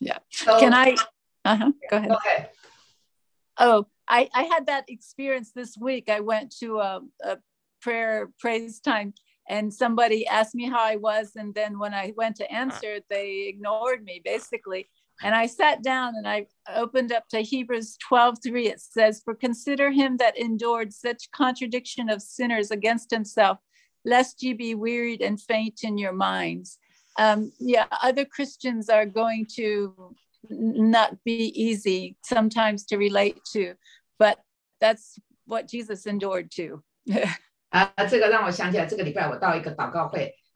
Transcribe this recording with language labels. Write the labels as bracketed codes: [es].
[en] Yeah, can I? Go ahead. Okay. Oh, I had that experience this week. I went to a prayer praise time, And somebody asked me how I was, and then when I went to answer, they ignored me, basically. And I sat down and I opened up to Hebrews 12:3. It says, "For consider him that endured such contradiction of sinners against himself, lest ye be wearied and faint in your minds." Other Christians are going to not be easy sometimes to relate to, but that's what Jesus endured too. [zh] 这个让我想起来，这个礼拜我到一个祷告会。